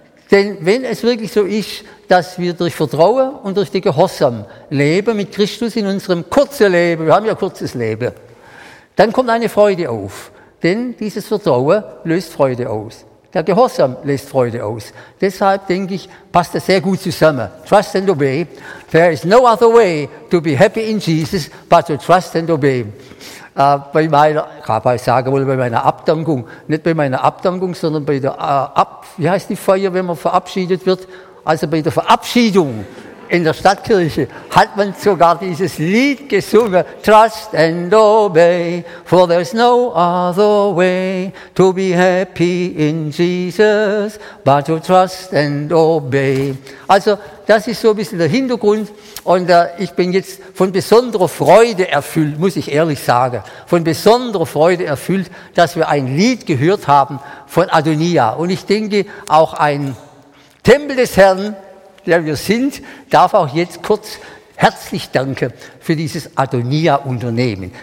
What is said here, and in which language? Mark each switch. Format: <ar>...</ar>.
<de>Denn wenn es wirklich so ist, dass wir durch Vertrauen und durch den Gehorsam leben mit Christus in unserem kurzen Leben, wir haben ja kurzes Leben, dann kommt eine Freude auf. Denn dieses Vertrauen löst Freude aus. Der Gehorsam lässt Freude aus. Deshalb denke ich, passt das sehr gut zusammen.</de> <en>Trust and obey. There is no other way to be happy in Jesus but to trust and obey.</en> <de>Bei meiner, kann ich sagen wohl, bei meiner Abdankung, nicht bei meiner Abdankung, sondern bei der wie heißt die Feier, wenn man verabschiedet wird? Also bei der Verabschiedung in der Stadtkirche hat man sogar dieses Lied gesungen.</de> <en>Trust and obey, for there's no other way to be happy in Jesus, but to trust and obey.</en> <de>Also das ist so ein bisschen der Hintergrund. Und ich bin jetzt von besonderer Freude erfüllt, muss ich ehrlich sagen, von besonderer Freude erfüllt, dass wir ein Lied gehört haben von Adonija. Und ich denke, auch ein Tempel des Herrn, der wir sind, darf auch jetzt kurz herzlich danken für dieses Adonija-Unternehmen.</de>